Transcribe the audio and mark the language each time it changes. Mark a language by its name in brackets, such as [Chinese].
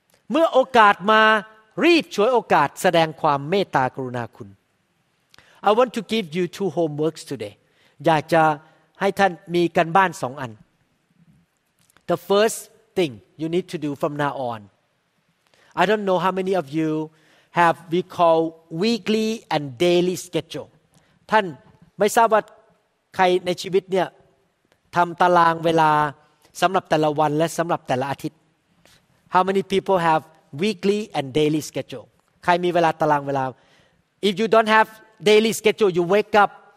[Thai] เมื่อโอกาสมารีบฉวยโอกาสแสดงความเมตตากรุณาคุณ [English] I want to give you two homeworks today. [Thai] อยากจะให้ท่านมีการบ้านสองอัน [English] The first thing you need to do from now on. I don't know how many of you have we call weekly and daily schedule. [Thai] ท่านไม่ทราบว่าใครในชีวิตเนี่ยทำตารางเวลาสำหรับแต่ละวันและสำหรับแต่ละอาทิตย์ [English] How many people have weekly and daily schedule [Thai] ใครมีเวลาตารางเวลา [English] If you don't have daily schedule you wake up